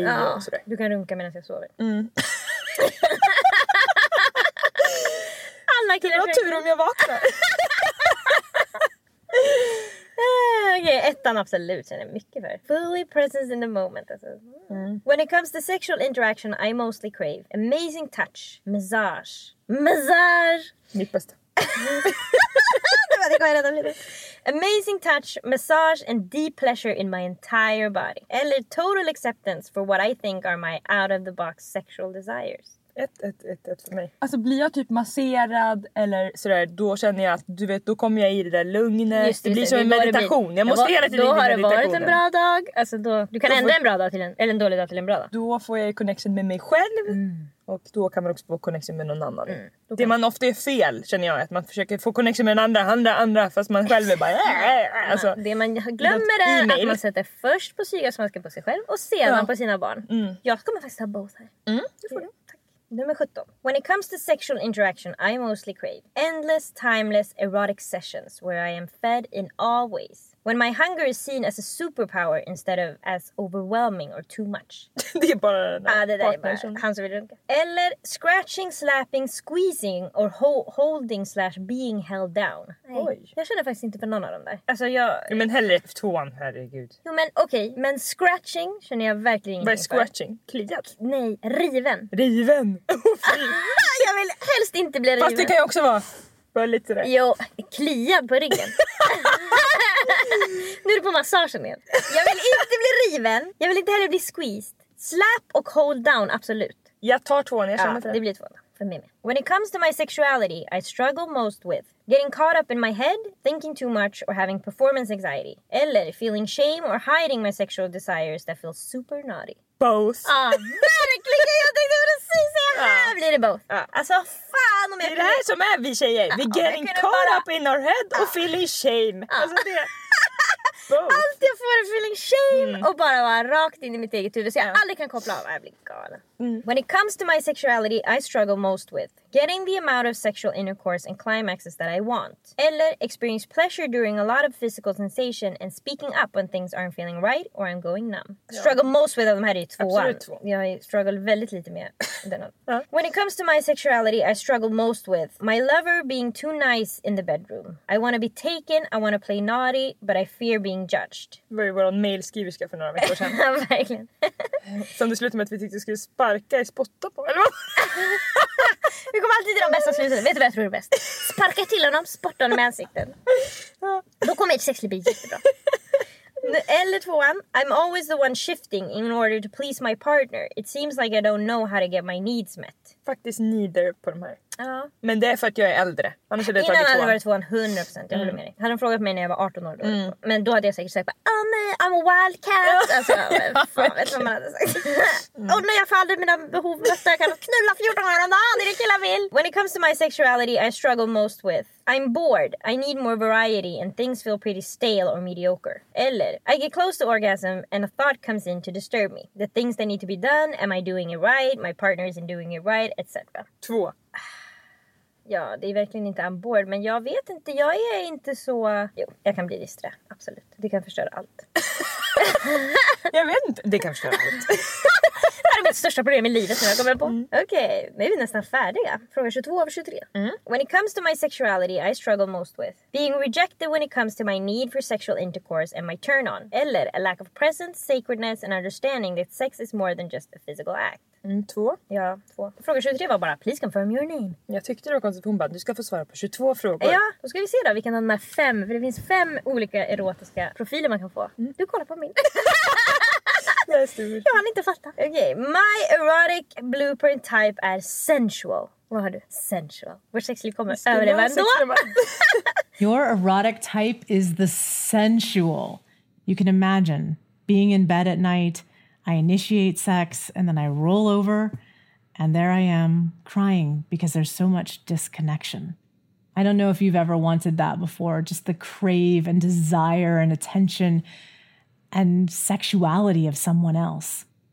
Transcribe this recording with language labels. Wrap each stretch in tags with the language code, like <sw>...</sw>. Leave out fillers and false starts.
<sv>Ja, och du kan runka medan jag sover. Mm. Det var tur om jag vaknar. Okej, ettan absolut känner jag mycket för.</sv> <en>Fully present in the moment. Alltså. Mm. When it comes to sexual interaction I mostly crave amazing touch, massage.</en> <sv>Massage! Mitt bästa.</sv> <en>Amazing touch, massage and deep pleasure in my entire body. Eller total acceptance for what I think are my out of the box sexual desires.</en> <sv>Ett för mig. Alltså blir jag typ masserad eller sådär, då känner jag att du vet, då kommer jag i det där lugnet. Just, det blir som det, en meditation. Jag måste hela tiden då har det varit en bra dag. Alltså då, du kan då ändra en bra dag till en, eller en dålig dag till en bra dag. Då får jag connection med mig själv. Mm. Och då kan man också få connection med någon annan. Mm. Det man ofta är fel, känner jag, att man försöker få connection med den andra, fast man själv är bara... alltså, det man glömmer är att man sätter först på syrgasmasken på sig själv och sedan på sina barn. Mm. Jag kommer faktiskt ha both här. Mm. Det får du. Nummer 17.</sv> <en>When it comes to sexual interaction, I mostly crave endless, timeless, erotic sessions where I am fed in all ways. When my hunger is seen as a superpower instead of as overwhelming or too much.</en> <sv>Det är bara</sv> <en>Eller scratching, slapping, squeezing or holding / being held down.</en> <sv>Oj. Jag känner faktiskt inte för någon av dem där. Alltså jag... Jo, men hellre F2, herregud. Jo men okej, okay. Men scratching känner jag verkligen inte. Vad är scratching? Kliat? Nej, riven. Riven? Jag vill helst inte bli riven. Fast det kan ju också vara... Bara lite där. Jo, kliad på ryggen. Nu är du på massagen igen. Jag vill inte bli riven. Jag vill inte heller bli squeezed. Slap och hold down, absolut. Jag tar två, jag känner det. Det blir två för mig med.</sv> <en>When it comes to my sexuality, I struggle most with getting caught up in my head, thinking too much or having performance anxiety. Eller feeling shame or hiding my sexual desires that feel super naughty. Both.</en> <sv>Ja, verkligen. Jag tänkte precis säga här blir det both. Alltså, fan om jag... Det är det här som är vi tjejer. Vi</sv> <en>getting caught up in our head</en> <sv>och</sv> <en>feeling shame.</en> <sv>Alltså det... Both. Allt jag får är</sv> <en>feeling shame</en> <sv>och bara vara rakt in i mitt eget huvud så jag aldrig kan koppla av. Jag blir galen.</sv> <en>When it comes to my sexuality I struggle most with getting the amount of sexual intercourse and climaxes that I want. Eller experience pleasure during a lot of physical sensation and speaking up when things aren't feeling right or I'm going numb. Yeah. Struggle most with</en> <sv>them här är tvåan. Absolut två. Jag struggle väldigt lite med den.</sv> <en>When it comes to my sexuality I struggle most with my lover being too nice in the bedroom. I want to be taken, I want to play naughty, but I fear being judged.</en> <sv>Very well, mail skriver ska för några veckor sedan. Verkligen. Som det slutade med att vi tyckte skulle sparka i spotta på, eller vad? Vi kommer alltid till de bästa slutet. Vet du vad jag tror är bäst? Sparka till honom, spotta honom i ansikten. Då kommer ett sexliv bli jättebra. Eller tvåan.</sv> <en>I'm always the one shifting in order to please my partner. It seems like I don't know how to get my needs met.</en> <sv>Faktiskt neither på de här. Ja. Men det är för att jag är äldre. Annars hade innan hade varit tvåan 100%, jag håller med dig. Hade de frågat mig när jag var 18 år då, men då hade jag säkert sagt, oh nej,</sv> <en>I'm a wildcat.</en> <sv>Alltså, ja, fan, vet vad man hade sagt. Oh nej, jag får aldrig mina behov mötta. Jag kan knulla 14 gånger om dagen, det är det killar vill.</sv> <en>When it comes to my sexuality, I struggle most with I'm bored, I need more variety and things feel pretty stale or mediocre. Eller, I get close to orgasm and a thought comes in to disturb me. The things that need to be done, am I doing it right? My partner isn't doing it right, etc.</en> <sv>Två. Ja, det är verkligen inte</sv> <en>I'm bored,</en> <sv>men jag vet inte, jag är inte så... Jo, jag kan bli distra, absolut. Det kan förstöra allt. Jag vet inte, det kan förstöra allt. Det är mitt största problem i livet som jag kommer på. Okej, okay, nu är vi nästan färdiga. Fråga 22 av 23.</sv> <en>When it comes to my sexuality, I struggle most with being rejected when it comes to my need for sexual intercourse and my turn on. Eller a lack of presence, sacredness and understanding that sex is more than just a physical act.</en> <sv>Två. Ja, två. Fråga 23 var bara,</sv> <en>please confirm your name.</en> <sv>Jag tyckte det var konstigt, hon bara, du ska få svara på 22 frågor. Ja, då ska vi se då vilken av de här fem, för det finns fem olika erotiska profiler man kan få. Du kollar på min. Jag har inte fattat. Okej, okay.</sv> <en>My erotic blueprint type</en> <sv>är</sv> <en>sensual.</en> <sv>Vad har du?</sv> <en>Sensual.</en> <sv>Vår sexliv kommer överleva ändå.</sv> <en>Your erotic type is the sensual. You can imagine being in bed at night, I initiate sex and then I roll over and there I am crying because there's so much disconnection. I don't know if you've ever wanted that before, just the crave and desire and attention and sexuality of someone else.</en>